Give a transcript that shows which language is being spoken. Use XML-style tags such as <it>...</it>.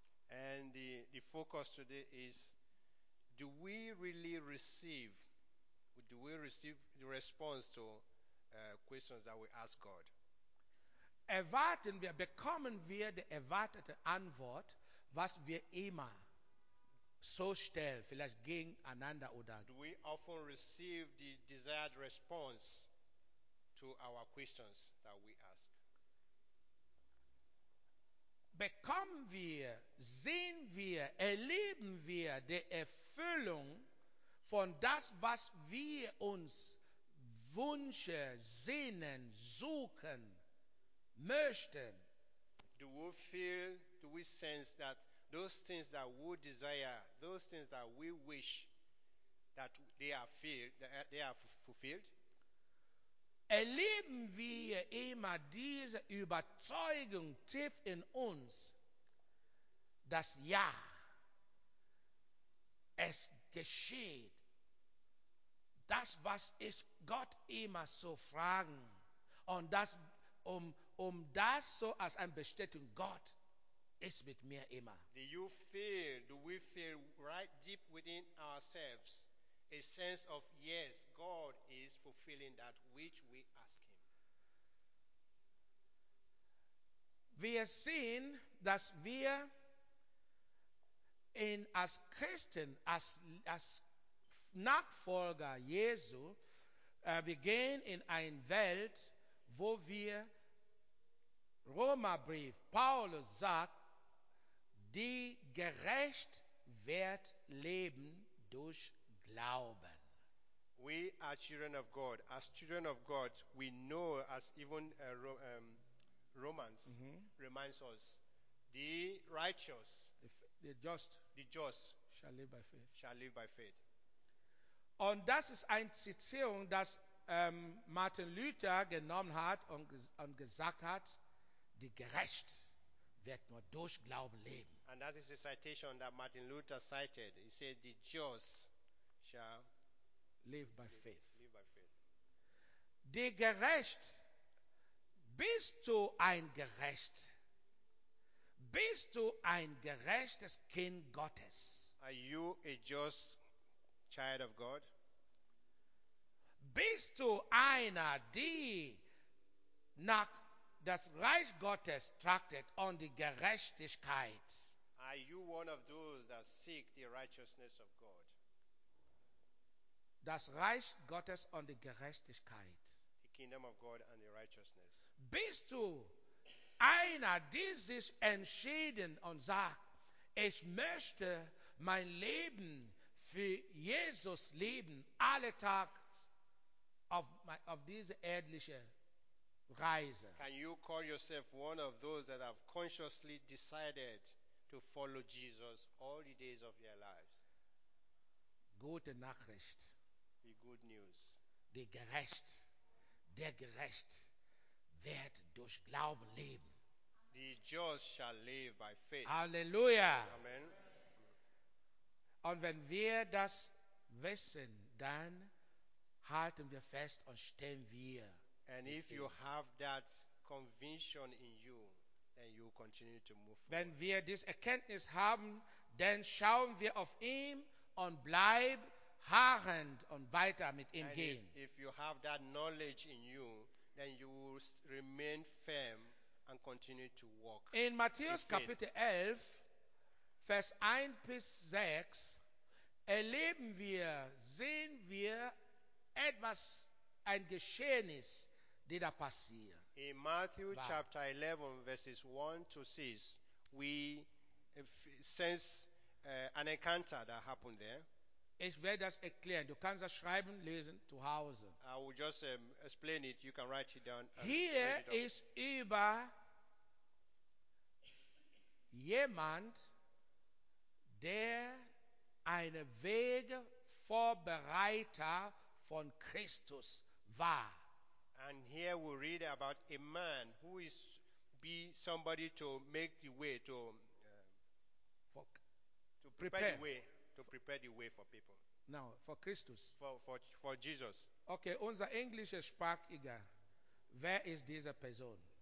<en>And the focus today is, do we receive the response to questions that we ask God?</en> <de>Erwarten wir, bekommen wir die erwartete Antwort, was wir immer so schnell vielleicht gegeneinander oder.</de> <en>Do we often receive the desired response to our questions that we ask?</en> <de>Bekommen wir, sehen wir, erleben wir die Erfüllung von das, was wir uns wünschen, sehnen, suchen, möchten?</de> <en>Do we feel, do we sense that those things that we desire, those things that we wish, that they are filled, that they are fulfilled?</en> <de>Erleben wir immer diese Überzeugung tief in uns, dass ja, es geschieht. Das, was ich Gott immer so fragen, und das, um das so als ein Bestätigung, Gott ist mit mir immer.</de> <en>Do you feel, do we feel right deep within ourselves a sense of yes, God is fulfilling that which we ask him?</en> <de>Wir sehen, dass wir in als Christen, als Nachfolger Jesu, wir gehen in eine Welt, wo wir Römerbrief, Paulus sagt, die gerecht wird leben durch Glauben.</de> <en>We are children of God. As children of God, we know, as even Romans reminds us, the righteous, the just shall live by faith.</en> <de>Und das ist eine Zitierung, das Martin Luther genommen hat und gesagt hat, die gerecht wird nur durch Glauben leben.</de> <en>And that is a citation that Martin Luther cited. He said, the just shall live by faith. Live by faith.</en> <de>Die gerecht, bist du ein gerecht? Bist du ein gerechtes Kind Gottes?</de> <en>Are you a just child of God?</en> <de>Bist du einer, die nach das Reich Gottes trachtet und die Gerechtigkeit?</de> <en>Are you one of those that seek the righteousness of God?</en> <de>Das Reich Gottes und die Gerechtigkeit.</de> <en>The kingdom of God and the righteousness.</en> <de>Bist du einer, die sich entschieden und sagt, ich möchte mein Leben für Jesus leben, alle Tage</de> <en>of this earthly rise? Can you call yourself one of those that have consciously decided to follow Jesus all the days of your lives?</en> <de>Gute Nachricht.</de> <en>The good news.</en> <de>Der gerecht wird durch Glauben leben.</de> <en>The just shall live by faith. Halleluja. Amen.</en> <de>Und wenn wir das wissen, dann halten wir fest und stehen wir.</de> <en>And if you have that conviction in you, then you continue to move forward.</en> <de>Wenn wir diese Erkenntnis haben, dann schauen wir auf ihn und bleiben harrend und weiter mit ihm gehen.</de> <en>If you have that knowledge in you, then you will remain firm and continue to walk.</en> <de>In Matthäus Kapitel 11, Vers 1 bis 6, erleben wir, sehen wir etwas, ein Geschehnis, die da passiert.</de> <en>In Matthew chapter 11, verses 1 to 6, we sense an encounter that happened there.</en> <de>Ich werde das erklären. Du kannst das schreiben, lesen, zu Hause.</de> <en>I will just explain it. You can write it down.</en> <de>Hier ist über jemand, der eine Wegvorbereiter von Christus war.</de> <en>And here we read about a man who is be somebody to make the way to prepare the way for people. Now for Christus. For Jesus.</en> <de>Okay, unser englischer Sprachiger. Wer ist diese Person?</de>